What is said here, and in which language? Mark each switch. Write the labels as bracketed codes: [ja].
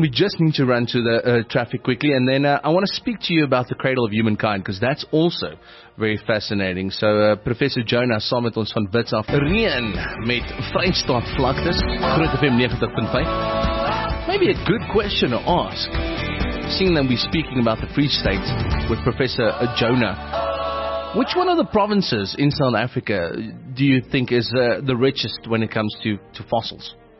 [en] We just need to run to the traffic quickly. And then I want to speak to you about the cradle of humankind, because that's also very fascinating. [af] So Professor Jonah Sommet ons van Wits af. Reën met Vrystaat vlaktes. Groot FM 90.5. [en] Maybe a good question to ask, seeing that we're speaking about the Free State with Professor Jonah. Which one of the provinces in South Africa do you think is the richest when it comes to fossils?